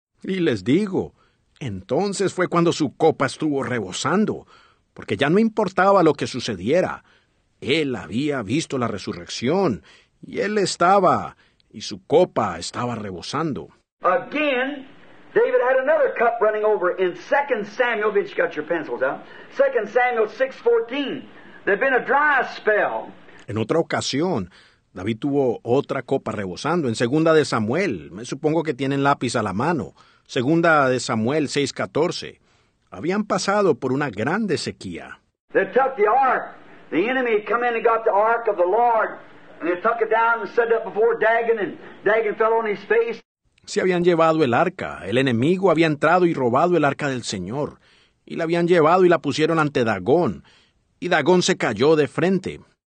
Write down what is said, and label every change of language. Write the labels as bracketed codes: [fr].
[es] Y les digo, entonces fue cuando su copa estuvo rebosando, porque ya no importaba lo que sucediera. Él había visto la resurrección, y él estaba, y su copa estaba rebosando. [en] Again, David had another cup running over in 2 Samuel, if you got your pencils out, 2 Samuel 6:14. There'd been a dry spell. [es] En otra ocasión, David tuvo otra copa rebosando en 2 de Samuel. Me supongo que tienen lápiz a la mano. 2 de Samuel 6:14. Habían pasado por una grande sequía. [en] They took the ark. The enemy had come in and got the ark of the Lord, and they took it down and set it up before Dagon, and Dagon fell on his face. [es] Se habían llevado el arca. El enemigo había entrado y robado el arca del Señor. Y la habían llevado y la pusieron ante Dagón. Y Dagón se cayó de frente.